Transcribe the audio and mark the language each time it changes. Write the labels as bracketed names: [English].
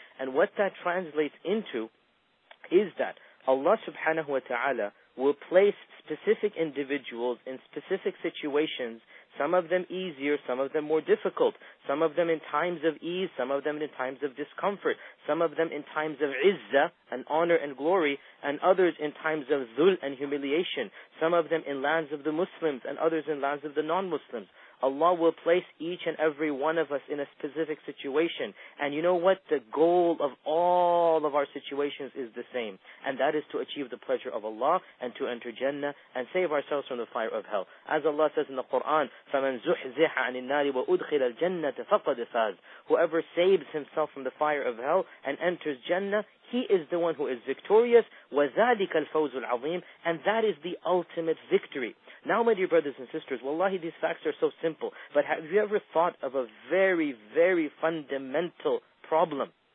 [English] And what that translates into is that Allah subhanahu wa ta'ala will place specific individuals in specific situations, some of them easier, some of them more difficult, some of them in times of ease, some of them in times of discomfort, some of them in times of izzah and honor and glory, and others in times of zul and humiliation, some of them in lands of the Muslims and others in lands of the non-Muslims. Allah will place each and every one of us in a specific situation. And you know what? The goal of all of our situations is the same. And that is to achieve the pleasure of Allah and to enter Jannah and save ourselves from the fire of hell. As Allah says in the Quran, [Arabic] فَمَنْ زُحْزِحَ عَنِ النَّارِ وَأُدْخِلَ الْجَنَّةَ فَقَدْ فَازَ. [English] Whoever saves himself from the fire of hell and enters Jannah, he is the one who is victorious. [Arabic] وَذَلِكَ الْفَوْزُ الْعَظِيمُ. [English] And that is the ultimate victory. Now, my dear brothers and sisters, wallahi, these facts are so simple. But have you ever thought of a very, very fundamental problem?